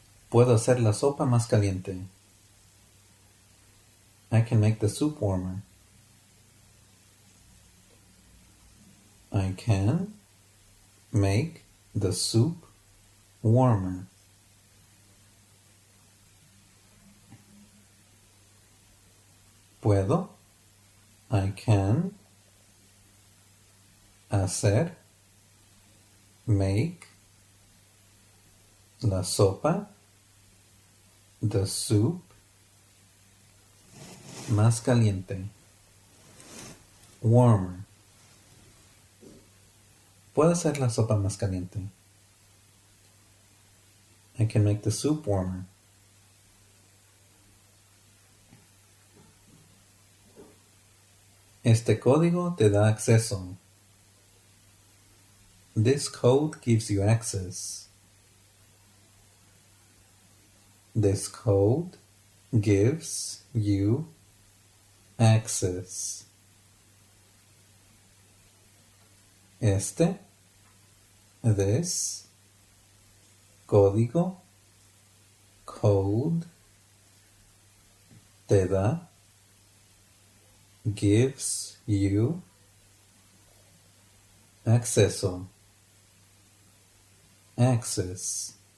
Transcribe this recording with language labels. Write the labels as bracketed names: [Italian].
[Spanish] Puedo hacer la sopa más caliente. [English] I can make the soup warmer. I can make the soup warmer. [Spanish] Puedo. [English] I can [Spanish] hacer. [English] Make [Spanish] la sopa. [English] The soup [Spanish] más caliente. [English] Warmer. [Spanish] Puedo hacer la sopa más caliente. [English] I can make the soup warmer. [Spanish] Este código te da acceso. [English] This code gives you access. This code gives you access. [Spanish] Este, [English] this, [Spanish] código, [English] code, [Spanish] te da, [English] gives you [Spanish] acceso, [English] access.